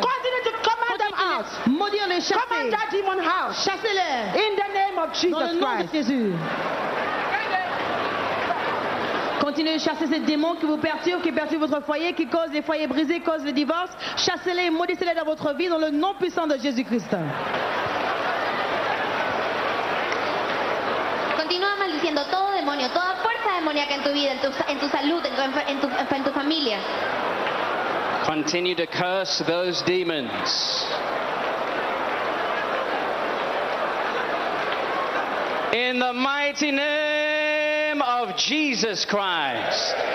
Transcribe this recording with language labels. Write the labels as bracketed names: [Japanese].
[English] Continue to command them out. [French] Maudire les chasser. [English] Command that demon out. [French] Chassez-les. [English] In the name of Jesus Christ. [French] Dans le nom de Jésus. Continuez de chasser ces démons qui vous perturbent, qui perturbent votre foyer, qui causent les foyers brisés, qui causent le divorce. Chassez-les et maudissez-les dans votre vie, dans le nom puissant de Jésus-Christ. [Spanish] Continúa maldiciendo todo demonio, toda fuerza demoníaca en tu vida, en tu salud, en tu familia. [English] Continue to curse those demons. In the mighty name of Jesus Christ.